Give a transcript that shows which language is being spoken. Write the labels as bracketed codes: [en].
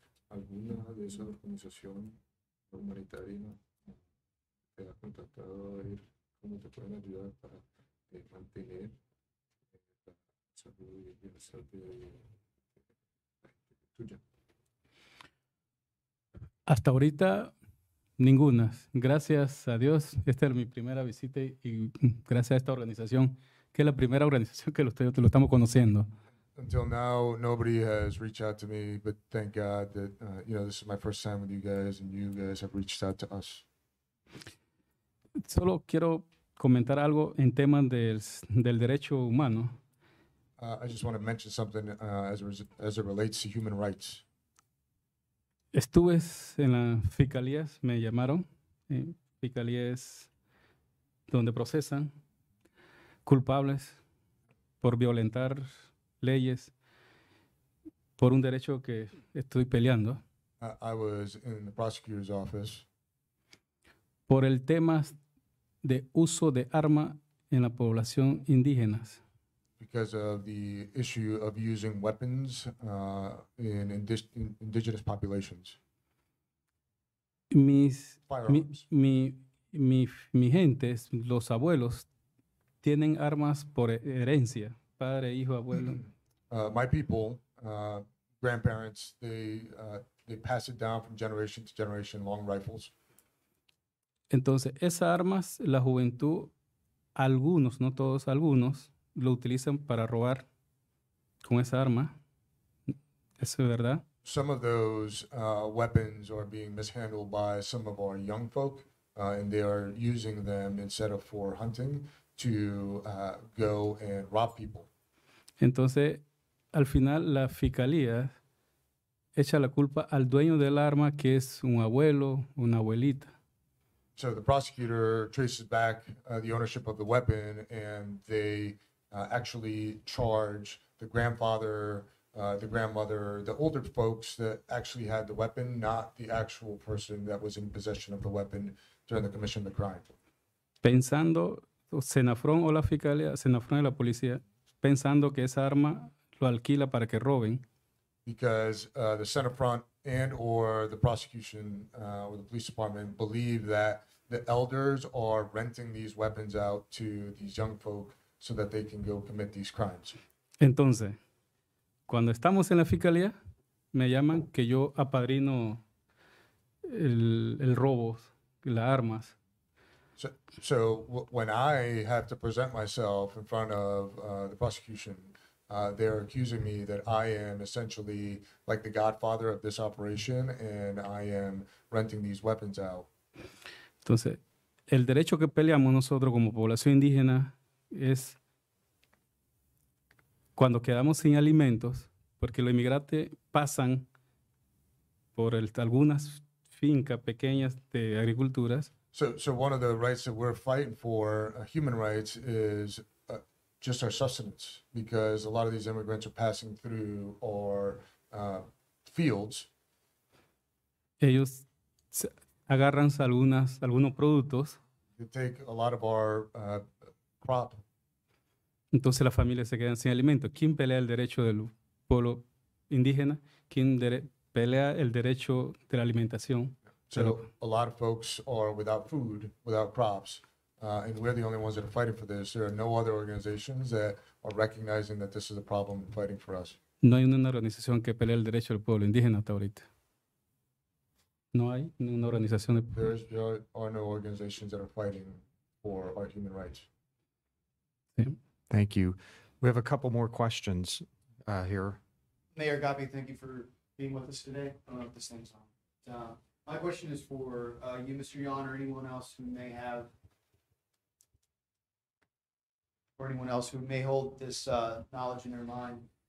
[es] ¿Alguna de esas organizaciones humanitarias te ha contactado a ver cómo te pueden ayudar para mantener la salud y el bienestar de la gente tuya? Hasta ahorita, ninguna. Gracias a Dios, esta es mi primera visita y gracias a esta organización, que es la primera organización que lo estamos conociendo. [en] Until now, nobody has reached out to me, but thank God that, you know, this is my first time with you guys, and you guys have reached out to us. [es] Solo quiero comentar algo en tema del derecho humano. [en] I just want to mention something as it relates to human rights. [es] Estuve en las fiscalías, me llamaron, fiscalías donde procesan culpables por violentar leyes por un derecho que estoy peleando. [en] I was in the prosecutor's office. [es] Por el tema de uso de arma en la población indígenas. [en] Because of the issue of using weapons in indigenous populations. [es] Mi gente, los abuelos, tienen armas por herencia, padre, hijo, abuelo. [en] My people, grandparents, they pass it down from generation to generation, long rifles. [es] Entonces, esas armas, la juventud, algunos, no todos, algunos, lo utilizan para robar con esa arma. Eso es verdad. [en] Some of those weapons are being mishandled by some of our young folk, and they are using them instead of for hunting to go and rob people. [es] Entonces, al final, la fiscalía echa la culpa al dueño del arma, que es un abuelo, una abuelita. [en] So the prosecutor traces back the ownership of the weapon, and they actually charge the grandfather, the grandmother, the older folks that actually had the weapon, not the actual person that was in possession of the weapon during the commission of the crime. [es] Pensando, Senafron o la fiscalía, Senafron y la policía, pensando que esa arma lo alquila para que roben. [en] Because the Senafron and or the prosecution or the police department believe that the elders are renting these weapons out to these young folk so that they can go commit these crimes. [es] Entonces, cuando estamos en la fiscalía, me llaman que yo apadrino el robo, las armas. [en] So when I have to present myself in front of the prosecution, they're accusing me that I am essentially like the godfather of this operation, and I am renting these weapons out. [es] Entonces, el derecho que peleamos nosotros como población indígena es cuando quedamos sin alimentos, porque los inmigrantes pasan por algunas fincas pequeñas de agriculturas. [en] So one of the rights that we're fighting for, human rights, is just our sustenance, because a lot of these immigrants are passing through our fields. [es] Ellos agarran algunos productos. [en] They take a lot of our crop. [es] Entonces las familias se quedan sin alimento. ¿Quién pelea el derecho del pueblo indígena? ¿Quién pelea el derecho de la alimentación? [en] So a lot of folks are without food, without crops. And we're the only ones that are fighting for this. There are no other organizations that are recognizing that this is a problem and fighting for us. [es] No hay una organización que pelee el derecho del pueblo indígena hasta ahorita. No hay una organización. [en] There are no organizations that are fighting for our human rights. Thank you. We have a couple more questions here. Mayor Agapi, thank you for being with us today. At the same time. My question is for you, Mr. Yon, or anyone else who may have hold this knowledge in their mind.